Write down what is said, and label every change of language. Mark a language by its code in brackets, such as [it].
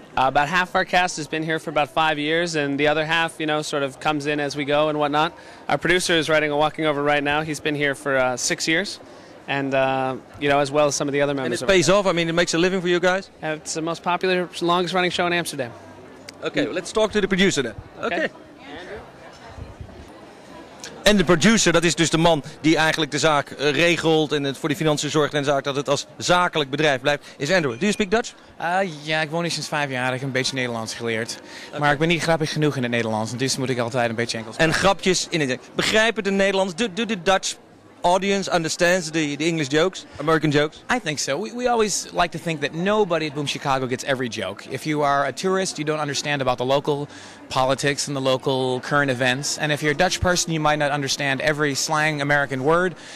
[en] About half our cast has been here for about 5 years, and the other half, you know, sort of comes in as we go and whatnot. Our producer is writing a walking over right now. He's been here for 6 years. And, you know, as well as some of the other members. And it pays off? I mean, it makes a living for you guys? It's the most popular, longest-running show in Amsterdam. Okay, well, let's talk to the producer then. Okay. [nl] En de producer, dat is dus de man die eigenlijk de zaak regelt en het voor de financiën zorgt en zaakt dat het als zakelijk bedrijf blijft, is Andrew. [en] Do you speak Dutch? [nl] Ja, ik woon hier sinds 5 jaar. Ik heb een beetje Nederlands geleerd. [en] Okay. [nl] Maar ik ben niet grappig genoeg in het Nederlands, dus moet ik altijd een beetje Engels praten. En grapjes in het Engels. Begrijpen de Nederlands? [en] Do the Dutch audience understands the English jokes, American jokes? I think so. We always like to think that nobody at Boom Chicago gets every joke. If you are a tourist, you don't understand about the local politics and the local current events. And if you're a Dutch person, you might not understand every slang American word.